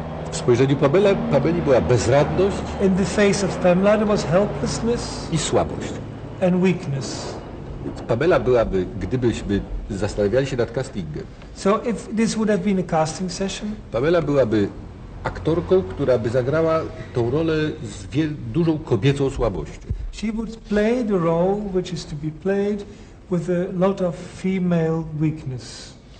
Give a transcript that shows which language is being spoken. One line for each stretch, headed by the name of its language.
Polish: W spojrzeniu Pabeli była bezradność.
English: In the face of Pamela was helplessness.
Polish: I słabość.
English: And weakness.
Polish: Pamela byłaby, gdybyśmy zastanawiali się nad castingiem.
English: So if this would have been a casting session?
Polish: Pamela byłaby aktorką, która by zagrała tą rolę z dużą kobiecą słabością.
English: She would play the role which is to be played with a lot of female weakness.